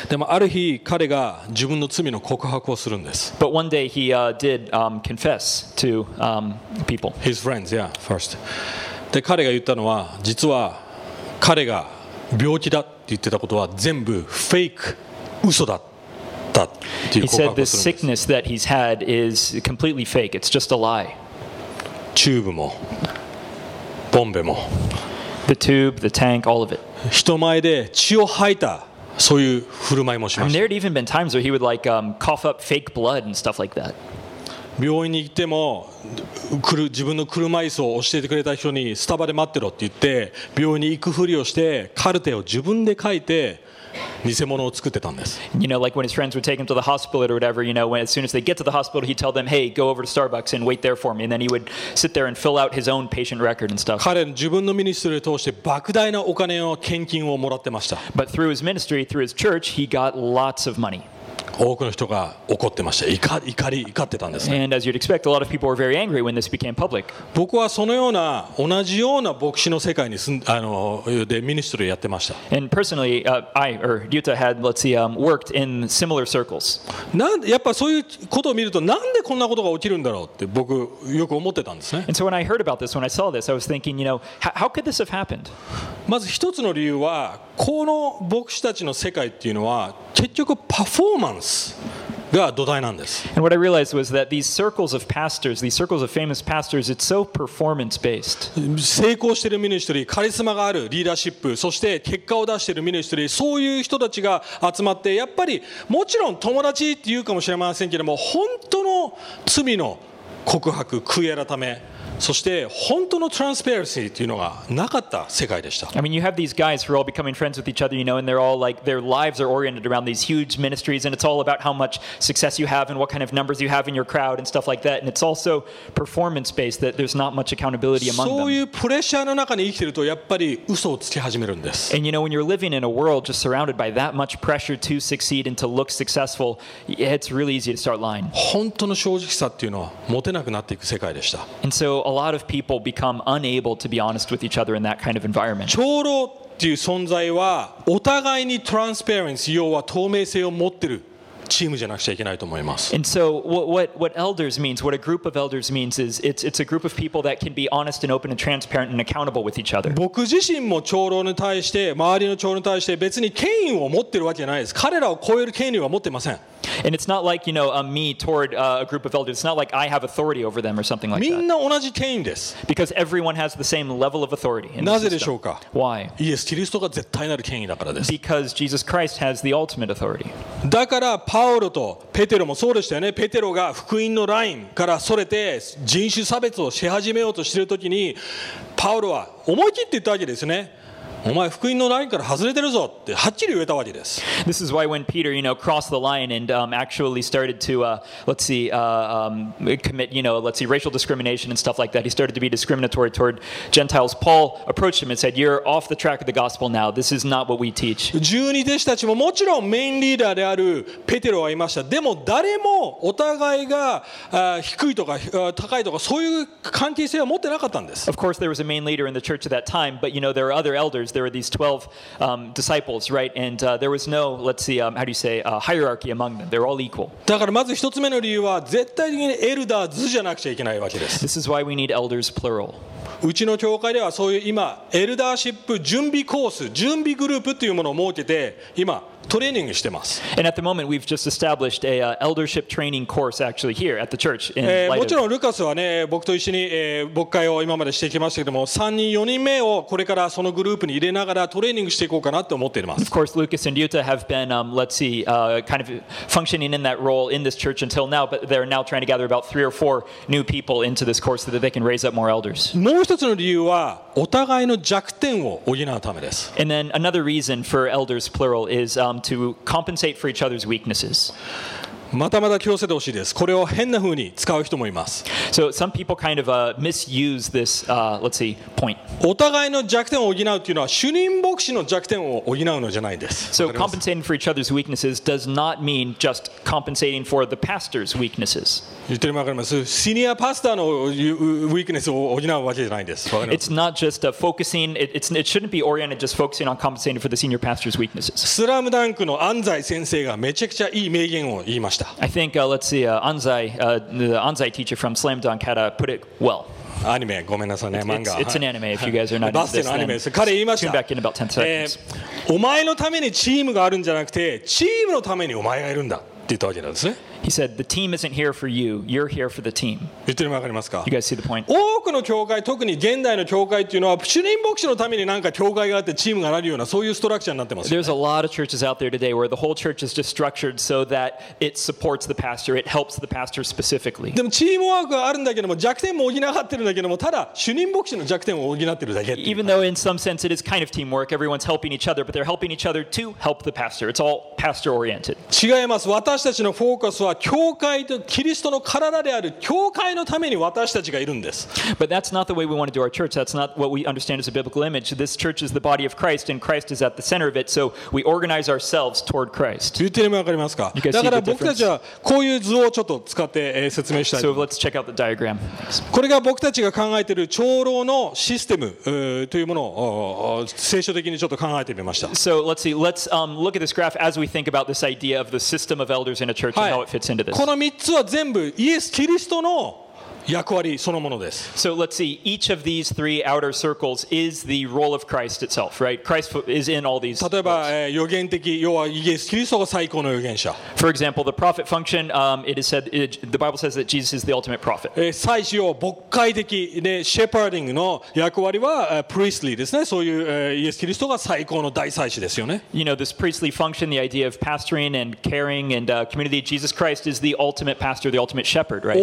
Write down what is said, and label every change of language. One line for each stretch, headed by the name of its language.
Japanese: でもある日彼が自分の罪の告白をするんです。
English: But one day he did confess to people. His friends, yeah, first.
Japanese: で彼が言ったのは実は彼が病気だって言ってたことは全部フェイク、嘘だったっていう。
English: He said this sickness that he's had is completely fake. It's just a lie.
Japanese: チューブもボンベも。
English: The tube, the tank, all of it.
Japanese: 人前で血を吐いたそういう振る舞いもしました。
English: There had even been times where he would like cough up fake blood and stuff like that.
Japanese: 病院に行っても自分の車椅子を教えてくれた人にスタバで待ってろって言って病院に行くふりをしてカルテを自分で書いて偽物を作ってたんです。
English: You know, like when his friends would take him to the hospital or whatever, you know, when as soon as they get to the hospital, he'd tell them, "Hey, go over to Starbucks and wait there for me." And then he would sit there and fill out his own patient record and stuff.
Japanese: 彼自分のミニストリーを通して莫大なお金を献金をもらってました。
English: But through his ministry, through his church, he got lots of money.
Japanese: 多くの人が怒ってました。怒ってたんですね。
English: And as you'd expect, a lot of people were very angry when this became public.
Japanese: 僕はそのような同じような牧師の世界に住んあのでミニストリーやってました。
English: And personally, I or Ryuta had, let's see, worked in similar circles.
Japanese: なんでやっぱそういうことを見るとなんでこんなことが起きるんだろうって僕よく思ってたんですね。
English: And so when I heard about this, when I saw this, I was thinking, you know, how could this have happened?
Japanese: まず一つの理由はこの牧師たちの世界っていうのは結局パフォーマンスが土台なんです。
English: And what I realized was that these circles of pastors, these circles of famous pastors, it's so performance-based.
Japanese: 成功しているミニストリー、カリスマがあるリーダーシップ、そして結果を出しているミニストリー、そういう人たちが集まって、やっぱりもちろん友達って言うかもしれませんけども、本当の罪の告白、悔い改め。そして本当のトランスペアレンシーというのがなかった世界でした。
English: I mean, you have these guys who are all becoming friends with each other, you know, and they're all like, their lives are oriented around these huge ministries, and it's all about how much success you have and what kind of numbers you have in your crowd and stuff like that, and it's also performance-based that there's not much accountability among them.
Japanese: そういうプレッシャーの中に生きてるとやっぱり嘘をつき始めるんです。
English: And you know, when you're living in a world just surrounded by that much pressure to succeed and to look successful, it's really easy to start lying.
Japanese: 本当の正直さっていうのは持てなくなっていく世界でした。
English: And so,A lot of people become unable to be honest with each other in that kind of environment.
Japanese: 長老という存在はお互いにトランスパレンス、要は透明性を持っているチームじゃなくちゃいけないと思います。
English: And so what elders means, what a group of elders means is it's a group of people that can be honest and open and transparent and accountable with each other.
Japanese: 僕自身も長老に対して、周りの長老に対して別に権威を持っているわけじゃないです。彼らを超える権威は持っていません。
English: And it's not like, you know, me toward a group of elders. It's not like I have authority over them or something like that.
Japanese: みんな同じ権威です。
English: Because everyone has the same level of authority.
Japanese: なぜでしょうか?
English: Why?
Japanese: イエス・キリストが絶対なる権威だからです。
English: Because Jesus Christ has the ultimate authority.
Japanese: だから、パウロとペテロもそうでしたよね。ペテロが福音のラインからそれて人種差別をし始めようとしているときに、パウロは思い切って言ったわけですね。お前福音のラインから外れてるぞってはっきり言えたわけです。
English: This is why when Peter, you know, crossed the line and actually started to commit, you know, racial discrimination and stuff like that, he started to be discriminatory toward Gentiles. Paul approached him and said, "You're off the track of the gospel now. This is not what we teach."
Japanese: 十二弟子たちももちろんメインリーダーであるペテロはいました。でも誰もお互いが低いとか高いとかそういう関係性は持ってなかったんです。
English: Of course, there was a main leader in the church at that time, but you know, there are other elders. There were these 12 disciples, right? And there was no, hierarchy among them. They're all equal.
Japanese: だからまず一つ目の理由は絶対的にエルダーズじゃなくちゃいけないわけです。
English: This is why we need elders plural.
Japanese: うちの教会ではそういう今エルダーシップ準備コース、準備グループというものを設けて今トレーニングしてます。
English: And at the moment, we've just established a eldership training course actually here at the church.
Japanese: もちろんルカスはね、僕と一緒に牧会を今までしてきましたけども、3人、4人目をこれからそのグループに入れながらトレーニングしていこうかなと思っています。
English: Of course, Lucas and Yuta have been, kind of functioning in that role in this church until now, but they're now trying to gather about 3 or 4 new people into this course so that they can raise up more elders.
Japanese: もう一つの理由は、お互いの弱点を補うためです。
English: And then another reason for elders plural is,to compensate for each other's weaknesses.
Japanese: またまた気をつけてほしいです。これを変な風に使う人もいます。
English: So some people kind of misuse this, point.
Japanese: お互いの弱点を補うというのは主任牧師の弱点を補うのじゃないです。
English: So compensating for each other's weaknesses does not mean just compensating for the pastor's weaknesses.
Japanese: 言ってるわかります。シニアパスターのウィークネスを補うわけじゃないです。
English: It's not just focusing. It shouldn't be oriented just focusing on compensating for the senior pastor's weaknesses.
Japanese: スラムダンクの安西先生がめちゃくちゃいい名言を言いました。
English: I think Anzai, the Anzai teacher from Slam Dunk had put it well.
Japanese: Anime, ごめんなさいね、漫画。
English: It's an anime. If you guys are not into this, then tune back in about 10 seconds.
Japanese: お前のためにチームがあるんじゃなくて、チームのためにお前がいるんだって言ったわけなんですね。
English: He said, "The team isn't here for you. You're here for the team."
Japanese: 言ってるのわかりますか?
English: You guys see the point?
Japanese: 多くの教会、特に現代の教会っていうのは、主任牧師のためになんか教会があってチームがなるようなそういうストラクチャーになってますよね。
English: There's a lot of churches out there today where the whole church is just structured so that it supports the pastor. It helps the pastor specifically.
Japanese: でもチームワークはあるんだけども、弱点も補ってるんだけども、ただ主任牧師の弱点を補ってるだけ。
English: Even though in some sense it is kind of teamwork, everyone's helping each other, but they're helping each other to help the pastor. It's all pastor-oriented.
Japanese: 違います。私たちのフォーカスは教会とキリストの体である教会のために私たちがいるんです。
English: But that's not the way we want to do our church. That's not what we understand as a biblical image. This church is the body of Christ, and Christ is at the center of it. So we organize ourselves toward Christ.
Japanese: 言ってるのわかりますか?
English: You guys
Japanese: だから僕たちはこういう図をちょっと使って、説明したい。
English: So let's check out the diagram.
Japanese: これが僕たちが考えている長老のシステム、というものを、聖書的にちょっと考えてみました。
English: So let's see. Let's look at this graph as we think about this idea of the system of elders in a church and how it fits.
Japanese: この3つは全部イエス・キリストの役割そのものです。
English: So let's see, each of these three outer circles is the role of Christ itself, right? Christ is in all these.
Japanese: 例えば、予言的、要はイエス・キリストが最高の預言者。
English: For example, the prophet function, it is said, the Bible says that Jesus is the ultimate prophet.
Japanese: 祭司を牧会的で、shepherding の役割は、priestly ですね。そういう、イエス・キリストが最高の大祭司ですよね。
English: You know, this priestly function, the idea of pastoring and caring and community, Jesus Christ is the ultimate pastor, the ultimate shepherd, right?